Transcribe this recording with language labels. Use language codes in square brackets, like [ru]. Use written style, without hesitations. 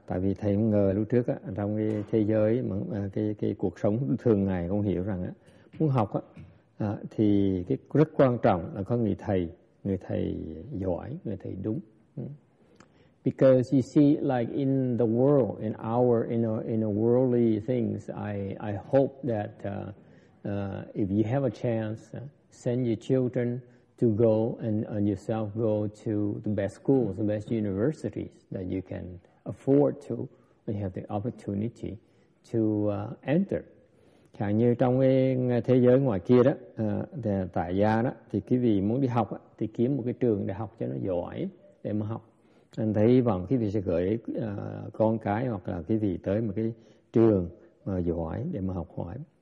[vi] Tại vì thầy ngờ lúc trước á, trong cái thế giới mà cái cuộc sống thường ngày con hiểu rằng á, muốn học á thì cái rất quan trọng là có người thầy giỏi, người thầy đúng. [en] Because you see, like in the world, in a worldly things, I hope that if you have a chance, send your children to go and yourself go to the best schools, the best universities that you can afford to, and you have the opportunity to enter. [vi] Chẳng như trong cái thế giới ngoài kia đó, tại gia đó, thì quý vị muốn đi học thì kiếm một cái trường để học cho nó giỏi để mà học. Anh thấy hy vọng quý vị sẽ gửi con cái hoặc là quý vị tới một cái trường mà giỏi để mà học hỏi.